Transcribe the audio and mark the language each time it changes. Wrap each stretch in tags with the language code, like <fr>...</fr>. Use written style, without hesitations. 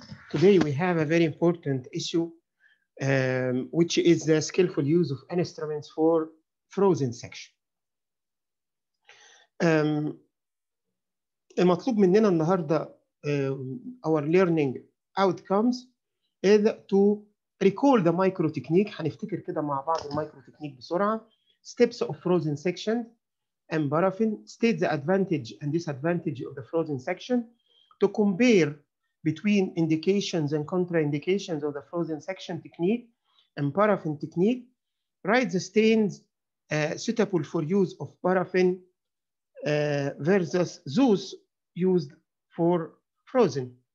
<en>Today we have a very important issue, which is the skillful use of instruments for frozen section.</en> <ar>المطلوب مننا النهاردة,</ar> <en>our learning outcomes is to recall the micro technique.</en> <ar>هنفتكر كده مع بعض المايكرو تكنيك بسرعة.</ar> <en>Steps of frozen section and paraffin. State the advantage and disadvantage of the frozen section. To compare between indications and contraindications of the frozen section technique and paraffin technique, write the stains suitable for use of paraffin versus those used for frozen.</en>